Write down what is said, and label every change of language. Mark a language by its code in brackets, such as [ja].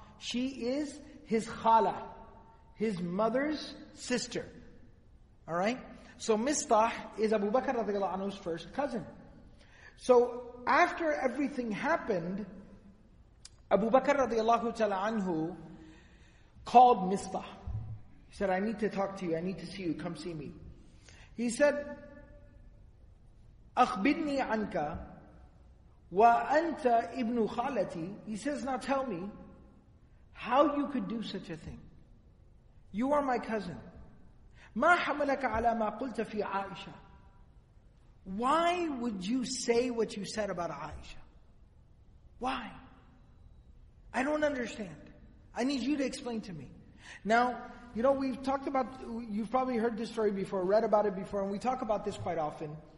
[en] She is his khala, his mother's sister. Alright? So Mistah is Abu Bakr radiallahu anhu's first cousin. So after everything happened, Abu Bakr radiallahu ta'ala anhu called Mistah. He said, I need to talk to you, I need to see you, come see me. [ar] He said, أخبرني عنك وأنت ابن خالتي. [en] He says, now tell me how you could do such a thing. You are my cousin. [ar] ما حملك على ما قلت في عائشة. [en] Why would you say what you said about Aisha? Why? I don't understand. I need you to explain to me. Now, you know, we've talked about, you've probably heard this story before, read about it before, and we talk about this quite often.